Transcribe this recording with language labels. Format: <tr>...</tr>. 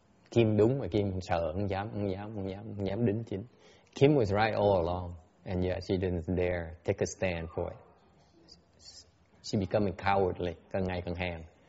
<vi>Kim đúng mà Kim sợ, không dám đính chính.</vi> <en>Kim was right all along. And yet she didn't dare take a stand for it. She becoming cowardly,</en> <vi>càng ngày càng hèn.</vi>